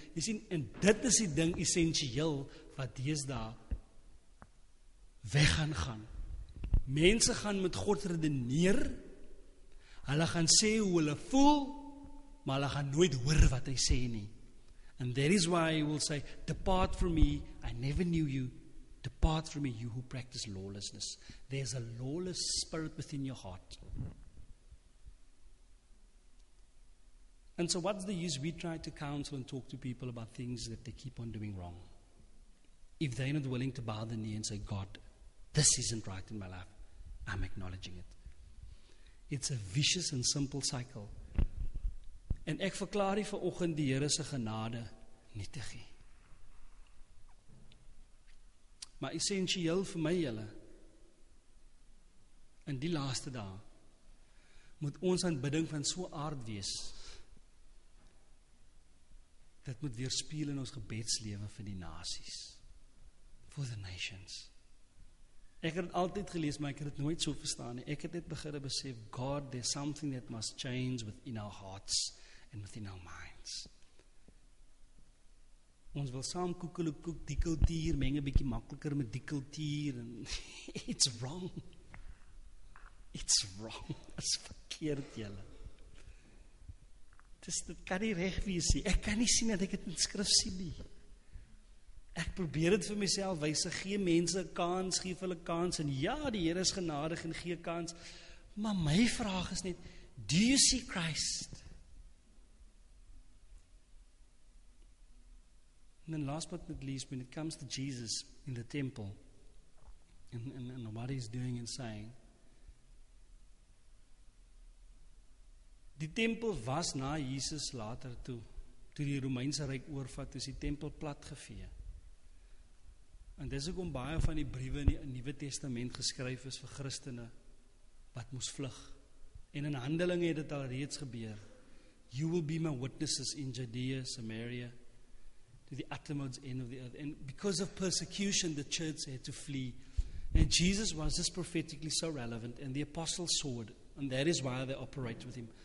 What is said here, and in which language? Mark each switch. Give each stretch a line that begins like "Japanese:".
Afrikaans: Jy sien, en dit is die ding essentieel wat deesdae weggaan. Mense gaan met God redeneer, hulle gaan sê hoe hulle voel, maar hulle gaan nooit hoor wat hy sê nie.
English: And that is why he will say, depart from me, I never knew you, depart from me, you who practice lawlessness. There's a lawless spirit within your heart. And so what's the use? We try to counsel and talk to people about things that they keep on doing wrong. If they're not willing to bow the knee and say, God, this isn't right in my life. I'm acknowledging it. It's a vicious and simple cycle.
Afrikaans: En ek verklaar die vanoggend die Here se genade nietig. Maar essentieel vir my julle, in die laaste dae, moet ons aanbidding van so aard wees, dat moet weerspieël in ons gebedslewe vir die nasies,
English: for the nations.
Afrikaans: Ek het altyd gelees, maar ek het nooit so verstaan. Ek het net begin besef,
English: God, there's something that must change within our hearts and within our minds.
Afrikaans: Ons wil saam koekeloekoek, die kultuur, meng 'n bietjie makkeliker met die kultuur.
English: En it's wrong. It's wrong.
Afrikaans: Dit's verkeerd, julle. Dit kan nie reg wees nie. Ek kan nie sien dat ek dit in skrif sien nie. Ek probeer dit vir myself wys, gee mense kans, gee hulle kans, en ja, die Here is genadig en gee kans, maar my vraag is net,
English: do you see Christ? And then last but not least, when it comes to Jesus in the temple and what he's doing and saying,
Afrikaans: die tempel was na Jesus later toe, toe die Romeinse Ryk oorvat, is die tempel plat gevee. En dis ook om baie van die briewe in die Nuwe Testament geskryf is vir Christene, wat moes vlug. En in Handelinge het dit al reeds gebeur.
English: You will be my witnesses in Judea, Samaria, to the uttermost end of the earth. And because of persecution, the church had to flee. And Jesus was just prophetically so relevant, and the apostles saw it. And that is why they operate with him.